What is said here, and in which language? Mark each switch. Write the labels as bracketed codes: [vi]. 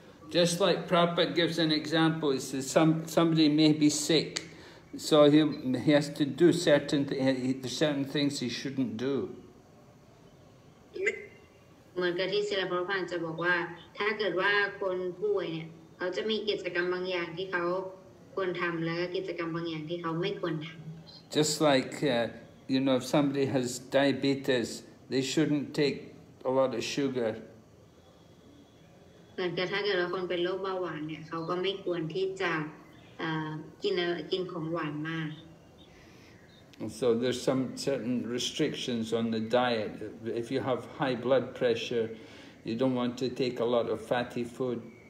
[en] Just like Prabhupada gives an example, he says somebody may be sick. So he has to do certain things he shouldn't do. [th] เหมือนกับที่ศิลปะพันธ์จะบอกว่าถ้าเกิดว่าคนป่วยเนี่ย เขาจะมีกิจกรรมบางอย่างที่เขาควรทำและกิจกรรมบางอย่างที่เขาไม่ควรทำ [en] Just like you know, if somebody has diabetes, they shouldn't take a lot of sugar. [th] เหมือนกับถ้าเกิดคนเป็นโรคเบาหวานเนี่ยเขาก็ไม่ควรที่จะกินของหวานมาก [en] And so there's some certain restrictions on the diet. If you have high blood pressure, you don't want to take a lot of fatty food.